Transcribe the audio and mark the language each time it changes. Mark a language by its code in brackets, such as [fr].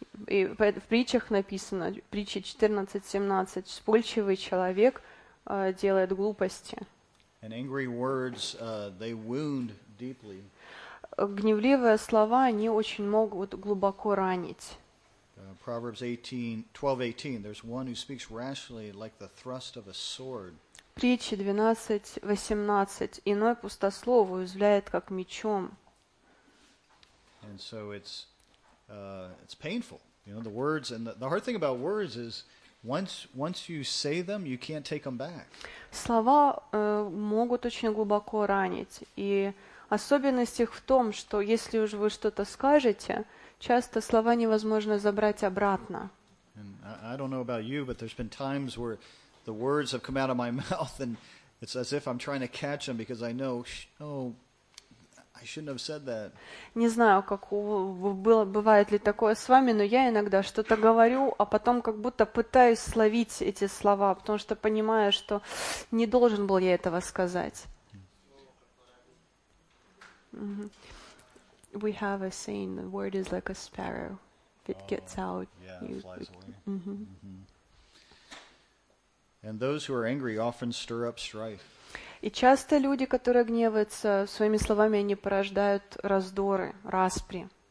[ru] И в притчах написано, притча 14:17, вспыльчивый человек делает глупости. [en] And angry words, they wound deeply. [ru] Гневливые слова, они очень могут глубоко ранить. [en] Proverbs 12:18, there's one who speaks rashly like the thrust of a sword. [ru] Притча 12:18, иной пустослов уязвляет как мечом. [en] And so it's painful. You know, the words, and the hard thing about words is once you say them, you can't take them back. [ru] Слова могут очень глубоко ранить, и особенность их в том, что если уж вы что-то скажете, часто слова невозможно забрать обратно. [en] And I don't know about you, but there's been times where the words have come out of my mouth, and it's as if I'm trying to catch them because I know, oh, I shouldn't have said that. [ru] Не знаю, как было, бывает ли такое с вами, но я иногда что-то говорю, а потом как будто пытаюсь словить эти слова, потому что понимаю, что не должен был я этого сказать. Mm-hmm. [en] We have a saying, the word is like a sparrow. If it gets out, yeah, you, it flies away. And those who are angry often stir up strife. [ru] И часто люди, которые гневаются, своими словами они порождают раздоры, распри.